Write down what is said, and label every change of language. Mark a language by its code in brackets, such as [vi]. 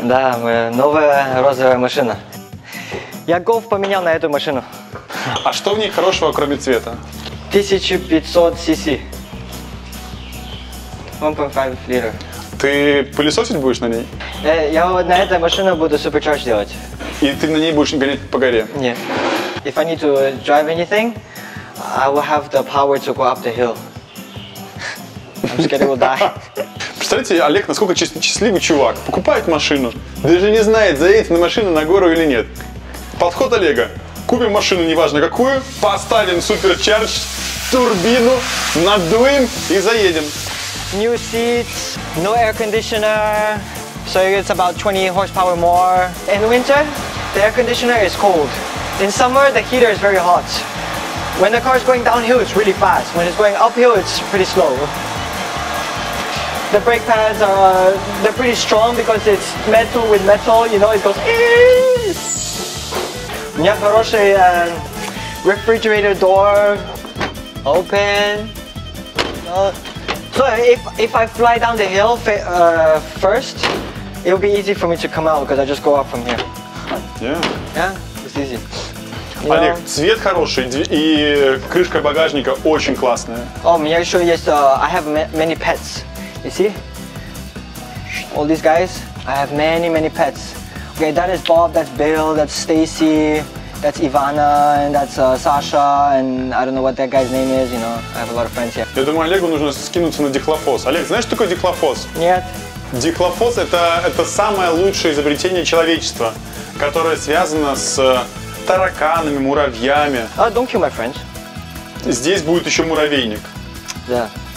[ru] Да, новая розовая машина. Я Golf поменял на эту машину. А что в ней хорошего, кроме цвета? 1500 cc. 1.5 литра. Ты пылесосить будешь на ней? Я вот на этой машине буду суперчардж делать. И ты на ней будешь гонять по горе? Нет. [en] If I need to drive anything, I will have the power to go up the hill. I'm scared it will die. [ru] Представляете, Олег, насколько счастливый чувак. Покупает машину, даже не знает, заедет на машину на гору или нет. Подход Олега. Купим машину, неважно какую, поставим суперчардж, турбину, надуем и заедем. [en] New seats, no air conditioner, so it's about 20 horsepower more. In winter, the air conditioner is cold. In summer, the heater is very hot. When the car is going downhill, it's really fast. When it's going uphill, it's pretty slow. The brake pads are they're pretty strong because it's metal with metal. You know, it goes. [ru] У меня хороший [en] refrigerator door open. So if I fly down the hill first, it'll be easy for me to come out because I just go up from here. Yeah. It's easy. [ru] Олег, цвет хороший и крышка багажника очень классная. [en] Oh, [ru] у меня еще есть. [en] I have many pets. You see? All these guys. I have many pets. Okay, that is Bob. That's Bill. That's Stacy. That's Ivana, and that's Sasha, and I don't know what that guy's name is, you know, I have a lot of friends here. [ru] Я думаю, Олегу нужно скинуться на дихлофос. Олег, знаешь, что такое дихлофос? Нет. Дихлофос – это самое лучшее изобретение человечества, которое связано с тараканами, муравьями. [en] Don't kill my friends. [ru] Здесь будет еще муравейник. Да.